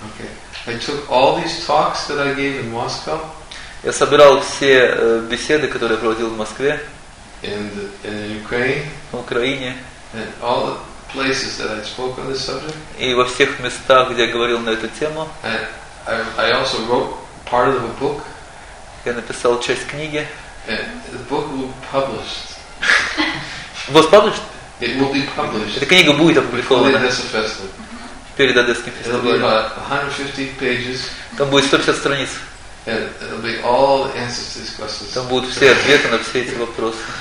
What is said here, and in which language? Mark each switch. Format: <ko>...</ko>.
<en>Okay. I took all these talks that I gave in Moscow.</en> <ru>Я собирал все беседы, которые я проводил в Москве.</ru> <en>In Ukraine.</en> <ru>В Украине.</ru> <en>And all the places that I spoke on this subject.</en> <ru>И во всех местах, где я говорил на эту тему.</ru> <en>I also wrote part of a book.</en> <ru>Я написал часть книги.</ru> <en>And the book will be published. Was published? It will be published.</en> <ru>Эта книга будет опубликована. Перед Одесским фестивалем. Перед Одесским фестивалем.</ru> <en>It'll be about 150 pages.</en> <ru>Там будет 150 страниц.</ru> <en>It'll be all the answers to these questions.</en> <ru>Там будут все ответы на все эти вопросы.</ru>